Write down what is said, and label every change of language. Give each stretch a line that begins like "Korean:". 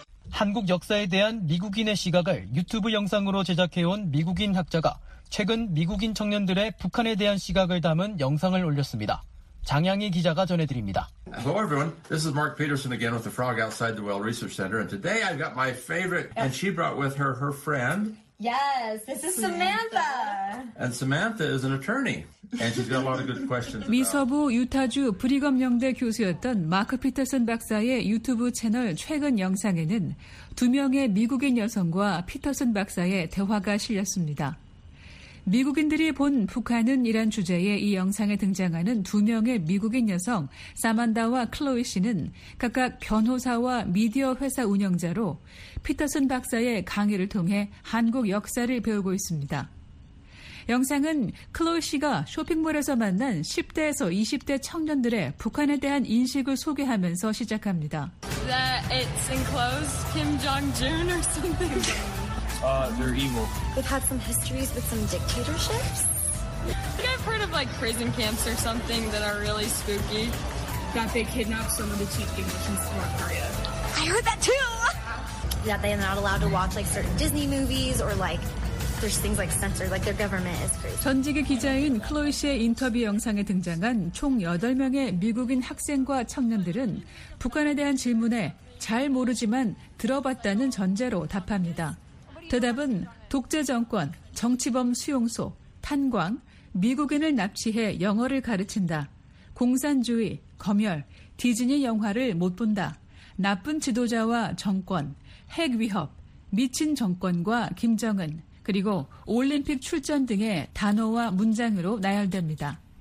Korean: 한국 역사에 대한 미국인의 시각을 유튜브 영상으로 제작해온 미국인 학자가 최근 미국인 청년들의 북한에 대한 시각을 담은 영상을 올렸습니다. 장양희 기자가 전해드립니다.
English: Hello everyone. This is Mark Peterson again with the Frog Outside the Well Research Center. And today I've got my favorite, and she brought with her her friend, Yes, this is Samantha. And Samantha is an attorney. And she's got a lot of good questions.
Korean: 미서부 유타주 브리검 영대 교수였던 마크 피터슨 박사의 유튜브 채널 최근 영상에는 두 명의 미국인 여성과 피터슨 박사의 대화가 실렸습니다. 미국인들이 본 북한은 이란 주제의 이 영상에 등장하는 두 명의 미국인 여성 사만다와 클로이 씨는 각각 변호사와 미디어 회사 운영자로 피터슨 박사의 강의를 통해 한국 역사를 배우고 있습니다. 영상은 클로이 씨가 쇼핑몰에서 만난 10대에서 20대 청년들의 북한에 대한 인식을 소개하면서 시작합니다.
English: That it's enclosed Kim Jong-un or something. They're evil. They've had some histories with some dictatorships. I think I've heard of like prison camps or something that are really spooky. That they kidnapped someone to teach English in North Korea. I heard that too! That they're not allowed to watch like certain Disney movies or like there's things like censored, like their government is crazy.
Korean: 전직의 기자인 클로이 씨의 인터뷰 영상에 등장한 총 8명의 미국인 학생과 청년들은 북한에 대한 질문에 잘 모르지만 들어봤다는 전제로 답합니다. 대답은 독재 정권, 정치범 수용소, 탄광, 미국인을 납치해 영어를 가르친다, 공산주의, 검열, 디즈니 영화를 못 본다, 나쁜 지도자와 정권, 핵 위협, 미친 정권과 김정은, 그리고 올림픽 출전 등의 단어와 문장으로 나열됩니다.